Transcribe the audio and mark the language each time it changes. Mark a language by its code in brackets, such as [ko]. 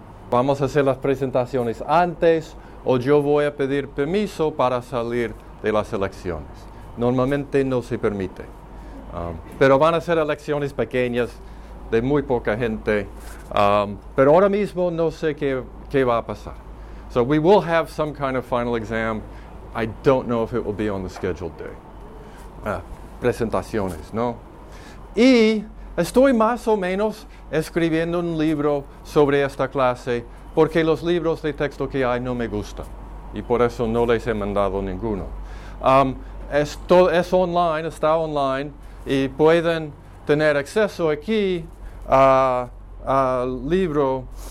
[es] Vamos a hacer las presentaciones antes o yo voy a pedir permiso para salir de las elecciones. Normalmente no se permite. Pero van a ser elecciones pequeñas de muy poca gente. Pero ahora mismo no sé qué va a pasar. [en] So we will have some kind of final exam. I don't know if it will be on the scheduled day. [es] Presentaciones, ¿no? Y estoy más o menos escribiendo un libro sobre esta clase porque los libros de texto que hay no me gustan y por eso no les he mandado ninguno. Es online, está online y pueden tener acceso aquí al libro.